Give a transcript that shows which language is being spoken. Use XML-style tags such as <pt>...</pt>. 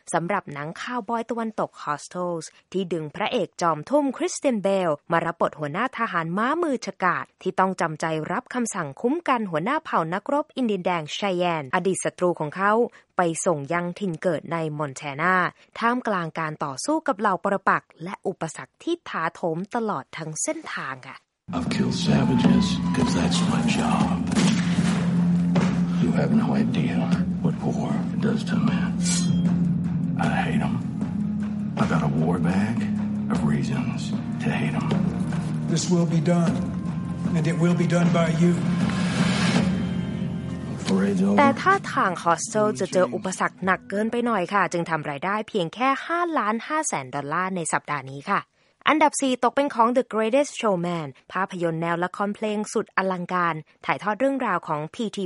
<th>สำหรับหนังคาวบอยตะวันตก Hostels ที่ดึงพระเอกจอมทุ่มคริสเตียนเบลมารับบทหัวหน้าทหารม้ามือฉกาจที่ต้องจำใจรับคำสั่งคุ้มกันหัวหน้าเผ่านักรบดินแดงไชแอนอดีตศัตรูของเขาไปส่งยังถิ่นเกิดในมอนแทนาท่ามกลางการต่อสู้กับเหล่าปรปักษ์และอุปสรรคที่ถาโถมตลอดทั้งเส้นทางค่ะ</th> <en>I've killed savages because that's my job. You have no idea what war does to men. I hate them. I got a war bag of reasons to hate them. This will be done, and it will be done by you.</en> <th>แต่ท่าทาง Hostel จะเจออุปสรรคหนักเกินไปหน่อยค่ะจึงทำรายได้เพียงแค่5ล้าน5แสนดอลลาร์ในสัปดาห์นี้ค่ะอันดับ4ตกเป็นของ The Greatest Showman ภาพยนตร์แนวละครเพลงสุดอลังการถ่ายทอดเรื่องราวของ P.T.</th>